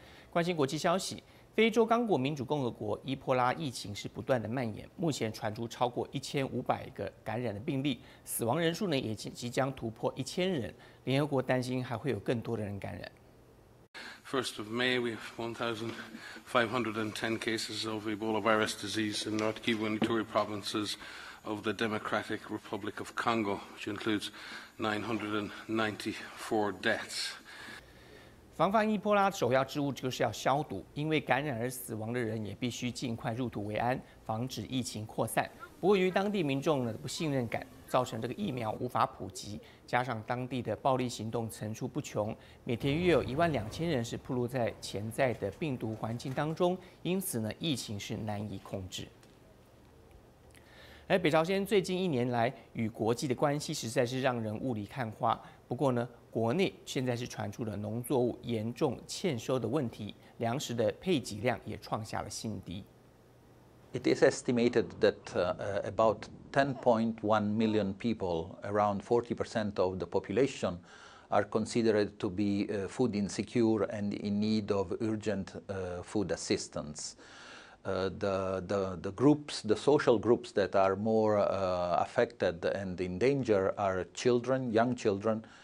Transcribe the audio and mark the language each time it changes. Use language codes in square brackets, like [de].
[zh] 关心国际消息，非洲刚果民主共和国伊波拉疫情是不断的蔓延，目前传出超过1500个感染的病例，死亡人数呢也即将突破1000人，联合国担心还会有更多的人感染。 [en] 1st of May, we have 1,510 cases of Ebola virus disease in North Kivu and Ituri provinces of the Democratic Republic of Congo, which includes 994 deaths. [zh] 防范伊波拉的首要之务就是要消毒，因为感染而死亡的人也必须尽快入土为安，防止疫情扩散。不过，由于当地民众的不信任感，造成这个疫苗无法普及，加上当地的暴力行动层出不穷，每天约有12000人是暴露在潜在的病毒环境当中，因此呢，疫情是难以控制。而北朝鲜最近一年来与国际的关系实在是让人雾里看花。不过呢，国内现在是传出了农作物严重欠收的问题，粮食的配给量也创下了新低。 [en] It is estimated that about 10.1 million people, around 40% of the population, are considered to be food insecure and in need of urgent food assistance. The social groups that are more affected and in danger are children, young children.